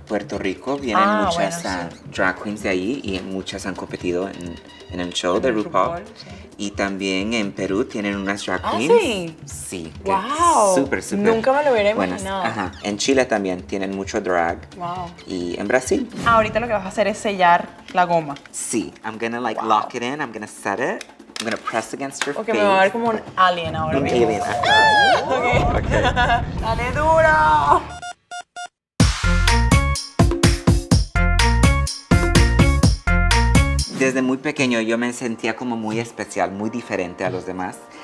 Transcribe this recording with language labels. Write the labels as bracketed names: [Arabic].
[Spanish] Puerto Rico, vienen muchas drag queens de ahí y muchas han competido en el show de RuPaul. Y también en Perú tienen unas drag queens. ¿Ah, sí? Sí. ¡Wow! Súper, súper. Nunca me lo hubiera imaginado. Ajá. En Chile también tienen mucho drag. ¡Wow! Y en Brasil. Ahorita lo que vas a hacer es sellar la goma. Sí. [English] I'm gonna like lock it in. I'm gonna set it. I'm gonna press against your face. [Spanish] Ok, me va a ver como un alien ahora mismo. Un alien. Okay. ¡Dale duro! Desde muy pequeño yo me sentía como muy especial, muy diferente a los demás.